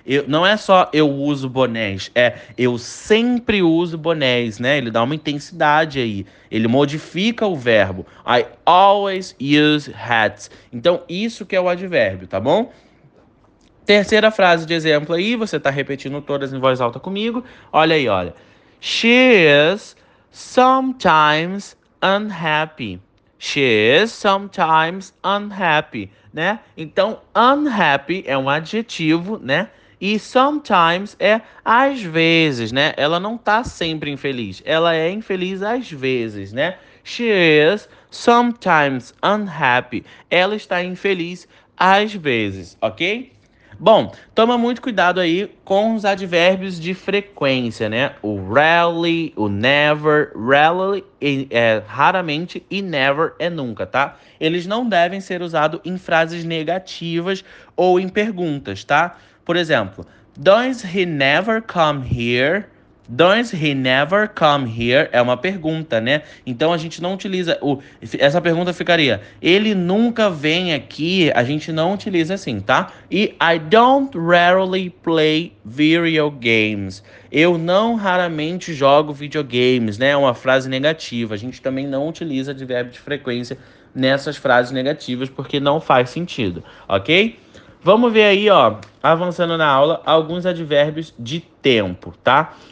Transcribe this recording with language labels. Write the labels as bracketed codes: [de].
[pt] Não é só eu uso bonés, é eu sempre uso bonés, né? Ele dá uma intensidade aí. Ele modifica o verbo. [en] I always use hats. [pt] Então, isso que é o advérbio, tá bom? Terceira frase de exemplo aí, você tá repetindo todas em voz alta comigo. Olha aí, olha. [en] She is sometimes unhappy. She is sometimes unhappy, né? [pt] Então, unhappy é um adjetivo, né? E sometimes é às vezes, né? Ela não tá sempre infeliz. Ela é infeliz às vezes, né? [en] She is sometimes unhappy. [pt] Ela está infeliz às vezes, ok? Bom, toma muito cuidado aí com os advérbios de frequência, né? O rarely, o never, rarely é raramente e never é nunca, tá? Eles não devem ser usados em frases negativas ou em perguntas, tá? Por exemplo, [en] Does he never come here? Does he never come here? [pt] É uma pergunta, né? Então a gente não utiliza o. Essa pergunta ficaria: ele nunca vem aqui? A gente não utiliza assim, tá? [en] E I don't rarely play video games. [pt] Eu não raramente jogo videogames, né? É uma frase negativa. A gente também não utiliza advérbio de frequência nessas frases negativas porque não faz sentido, ok? Vamos ver aí, ó, avançando na aula, alguns advérbios de tempo, tá?